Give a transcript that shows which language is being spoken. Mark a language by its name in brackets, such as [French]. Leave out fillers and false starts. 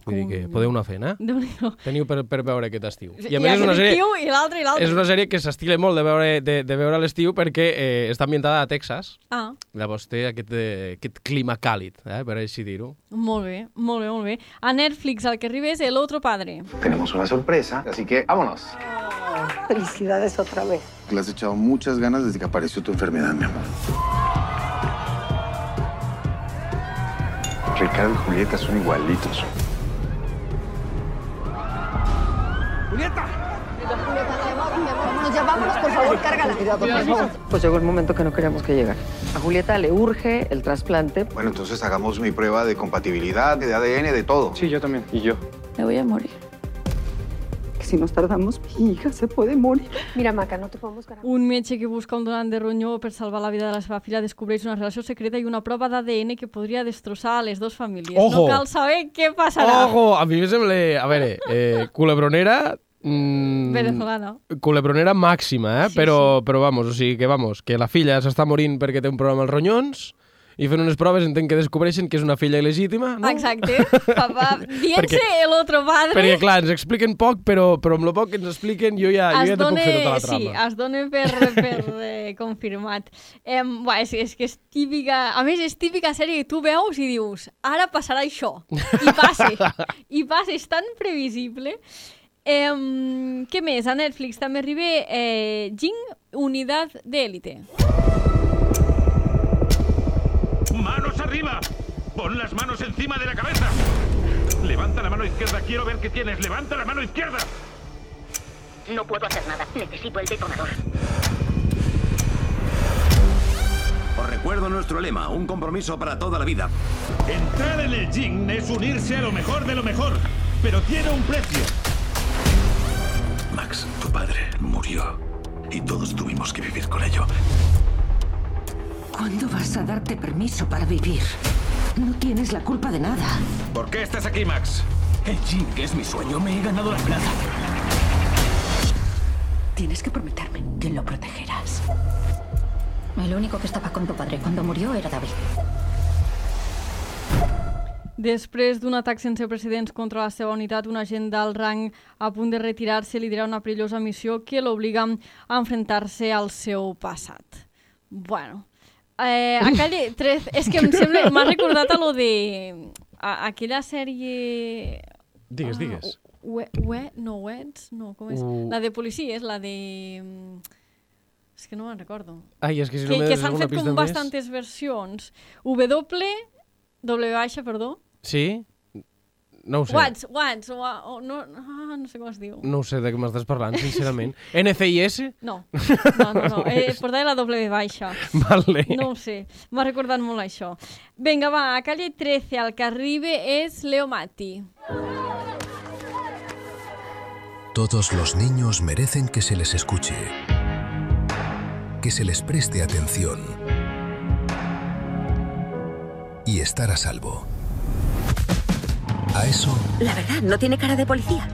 [Catalan] Vull dir que podeu anar fent, eh? Teniu per veure aquest estiu. I a més, és una sèrie, i l'altre. És una sèrie que s'estila molt de veure a l'estiu perquè està ambientada a Texas. Ah. Llavors té aquest clima càlid, per així dir-ho. Molt bé, molt bé, molt bé. A Netflix el que arriba és El Otro Padre. [Spanish] Tenemos una sorpresa, así que vámonos. Felicidades otra vez. Le has echado muchas ganas desde que apareció tu enfermedad, mi amor. Ricardo y Julieta son igualitos. ¡Julieta! Ya vámonos, por favor, cárgala. Cuidado, por favor. Pues llegó el momento que no queríamos que llegara. A Julieta le urge el trasplante. Bueno, entonces hagamos mi prueba de compatibilidad, de ADN, de todo. Sí, yo también. Y yo. Me voy a morir. Si nos tardamos, mi hija se puede morir. Mira, Maca, no te podemos garantizar. [Catalan] Un metge que busca un donant de ronyó per salvar la vida de la seva filla descobreix una relació secreta i una prova d'ADN que podria destrossar les dues famílies. [Spanish] Ojo. [Catalan] No cal saber què passarà. Ojo, a mi me sembla... A veure, culebronera... venezolana. Culebronera màxima, eh? Sí, però, sí. Però vamos, o sigui que vamos, que la filla s'està morint perquè té un problema als ronyons... I fent unes proves entenc que descobreixen que és una filla il·legítima, no? Exacte. Papa, dient-se l'altre padre... Perquè, clar, ens expliquen poc, però amb el poc que ens expliquen jo ja, jo ja te puc fer tota la trama. Sí, es dona per confirmat. És que és típica... A més, és típica sèrie que tu veus i dius ara passarà això. I passa, és tan previsible. Què més? A Netflix també arriba Jing, Unitat d'Èlite. [Spanish] ¡Manos arriba! ¡Pon las manos encima de la cabeza! ¡Levanta la mano izquierda! ¡Quiero ver qué tienes! ¡Levanta la mano izquierda! No puedo hacer nada. Necesito el detonador. Os recuerdo nuestro lema, un compromiso para toda la vida. Entrar en el Jing es unirse a lo mejor de lo mejor, pero tiene un precio. Max, tu padre murió y todos tuvimos que vivir con ello. ¿Cuándo vas a darte permiso para vivir? No tienes la culpa de nada. ¿Por qué estás aquí, Max? El gym es mi sueño. Me he ganado la plaza. Tienes que prometerme que lo protegerás. El único que estaba con tu padre cuando murió era David. [Catalan] Després d'un atac sense precedents contra la seva unitat, un agent d'alt rang a punt de retirar-se liderarà una perillosa missió que l'obliga a enfrentar-se al seu passat. Bueno... a Calle 13, és que em sembla, m'ha recordat allò de... aquella sèrie... Digues. La de policies, la de... És que no me'n recordo. Ai, és que si no m'he de fer alguna pista més... Que s'han fet com versions. W, perdó. Sí? No ho sé. No sé com es diu. No ho sé de què m'estàs parlant, sincerament. NCIS? No. Portava la doble de baixa. Vale. No ho sé. M'ha recordat molt això. Vinga, va, a Calle 13, el que arriba és Leo Matti. [Spanish] Todos los niños merecen que se les escuche. Que se les preste atención. Y estar a salvo. A eso... La verdad, no tiene cara de policía.